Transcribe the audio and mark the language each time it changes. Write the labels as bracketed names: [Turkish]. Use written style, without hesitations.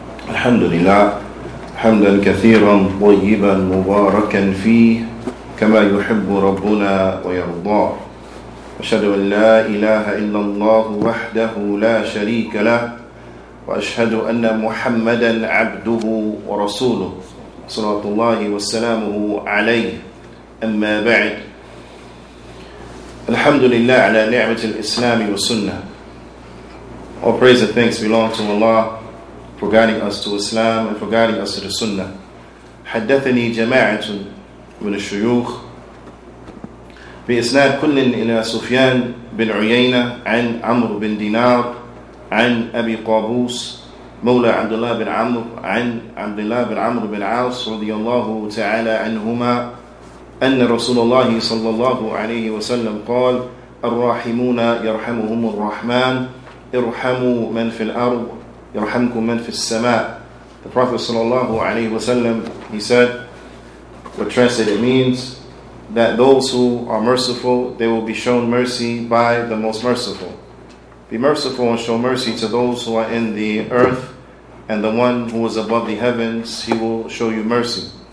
[Arabic] الحمد لله حمدا كثيرا طيبا مباركا فيه كما يحب ربنا ويرضى أشهد أن لا إله إلا الله وحده لا شريك له وأشهد أن محمدا عبده ورسوله صلاة الله وسلامه عليه أما بعد الحمد لله على نعمة الإسلام والسنة. [English] All praise and thanks belong to Allah for guiding us to Islam and for guiding us to the Sunnah. [Arabic] حدثني جماعة من الشيوخ بإسناد كل إلى سفيان بن عيينة عن عمرو بن دينار عن أبي قابوس مولى عبد الله بن عمرو عن عبد الله بن عمرو بن عاص رضي الله تعالى عنهما أن رسول الله صلى الله عليه وسلم قال الراحمون يرحمهم الرحمن ارحموا من في الأرض يرحمكم من في السماء. [English] The Prophet sallallahu alayhi wa sallam, he said, what translated means that those who are merciful, they will be shown mercy by the most merciful. Be merciful and show mercy to those who are in the earth, and the one who is above the heavens, he will show you mercy.